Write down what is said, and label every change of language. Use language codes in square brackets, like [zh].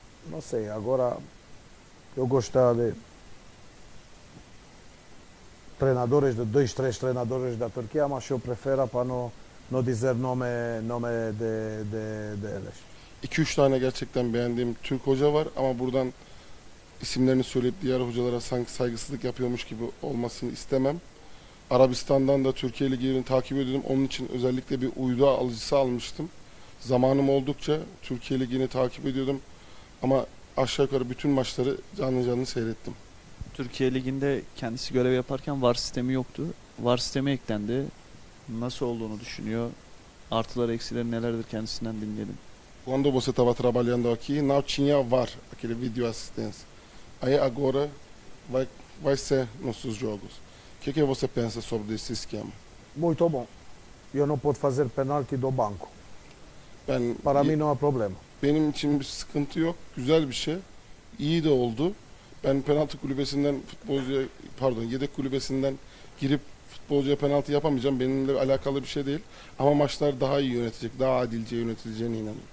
[pt] Não sei, agora eu gostava de treinadores, de dois, três treinadores da Turquia, mas eu prefiro para não dizer nome de eles. [tr] 2-3 tane gerçekten beğendiğim Türk hoca var ama buradan isimlerini söyleyip diğer hocalara sanki saygısızlık yapıyormuş gibi olmasını istemem. Arabistan'dan da Türkiye Ligi'ni takip ediyordum. Onun için özellikle bir uydu alıcısı almıştım. Zamanım oldukça Türkiye Ligi'ni takip ediyordum. Ama aşağı yukarı bütün maçları canlı canlı seyrettim. Türkiye Ligi'nde kendisi görev yaparken VAR sistemi yoktu. VAR sistemi eklendi. Nasıl olduğunu düşünüyor? Artıları eksileri nelerdir kendisinden dinleyelim. [pt] Quando você estava trabalhando aqui, não tinha VAR, aquele vídeo assistência. Aí agora vai ser nossos jogos. Que você pensa sobre esse esquema? Muito bom. Eu não posso fazer penalti do banco. Para mim não há problema. [tr] Benim için bir sıkıntı yok. Güzel bir şey. İyi de oldu. Ben penaltı kulübesinden yedek kulübesinden girip futbolcuya penaltı yapamayacağım. Benimle alakalı bir şey değil. Ama maçlar daha iyi yönetecek, daha adilce yönetileceğine inanıyorum.